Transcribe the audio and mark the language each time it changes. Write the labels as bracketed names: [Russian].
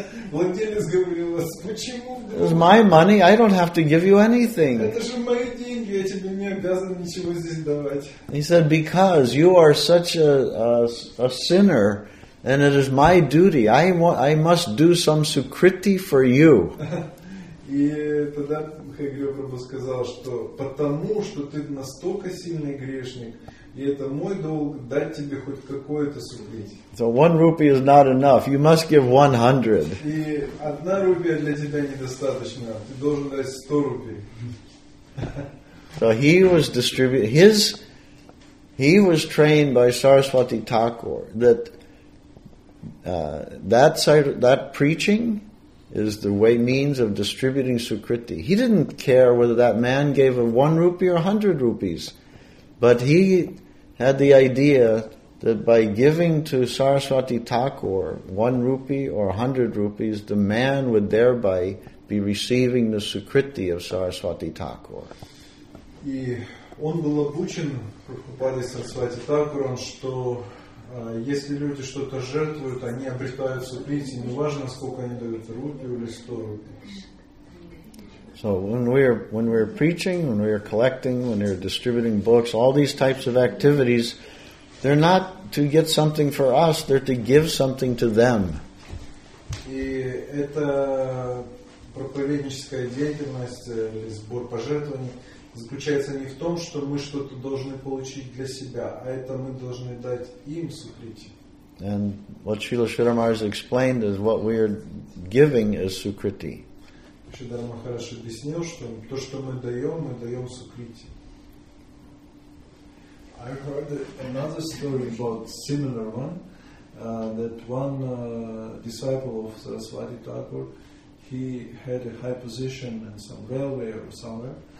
[Russian] Владелец говорил, почему? [English] It's my money, I don't have to give you anything. [Russian] Это же мои деньги, я тебе не обязан ничего здесь давать. [English] He said, because you are such a sinner, and it is my duty. I must do some sukriti for you. [Russian] И тогда Хагрио Прабху сказал, что потому что ты настолько сильный грешник, и это мой долг дать тебе хоть какое-то сукрити. [English] So one rupee is not enough. You must give 100. [Russian] И одна рупия для тебя недостаточно. Ты должен дать 100 рупий. [English] So he was distributing his. He was trained by Saraswati Thakur that. That side, that preaching is the way means of distributing sukriti. He didn't care whether that man gave a 1 rupee or 100 rupees, but he had the idea that by giving to Saraswati Thakur 1 rupee or 100 rupees, the man would thereby be receiving the sukriti of Saraswati Thakur. [Russian] И он был обучен Прабхупадой Сарасвати Такуром, что если люди что-то жертвуют, они обретают сукрити, неважно, сколько они дают, рупию или 100 рупий. [English] So when we are preaching, when we are collecting, when we are distributing books, all these types of activities, they're not to get something for us, they're to give something to them. [Russian] И это проповедническая деятельность или сбор пожертвований заключается не в том, что мы что-то должны получить для себя, а это мы должны дать им сукрити. [English] And what Srila Sridhar Maharaj explained is what we are giving is sukriti. [Russian] Sridhar Maharaj объяснил, что то, что мы даем сукрити. [English] I heard another story about similar one, that one disciple of Saraswati Thakur, he had a high position in some railway or somewhere.